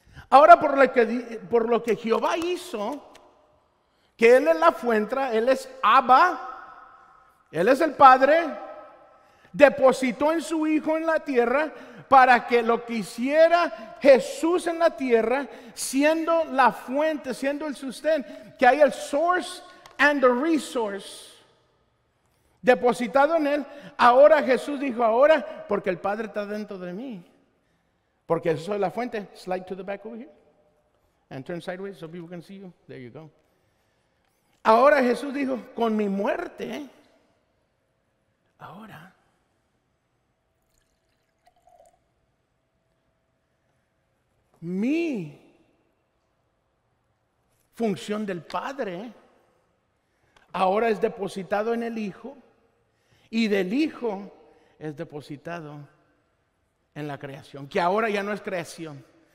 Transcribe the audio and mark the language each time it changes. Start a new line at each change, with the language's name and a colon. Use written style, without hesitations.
Spanish: Ahora, por lo que Jehová hizo, que Él es la fuente, Él es Abba, Él es el Padre, depositó en su Hijo en la tierra para que lo que hiciera Jesús en la tierra, siendo la fuente, siendo el sustén, que hay el
English: source and the resource
Spanish: depositado en Él. Ahora Jesús dijo, ahora, porque el Padre está dentro de mí, porque eso es la fuente.
English: Slide to the back over here and turn sideways so people can see you. There you go.
Spanish: Ahora Jesús dijo, con mi muerte, ahora mi función del Padre ahora es depositado en el Hijo, y del Hijo es depositado en la creación, que ahora ya no es creación.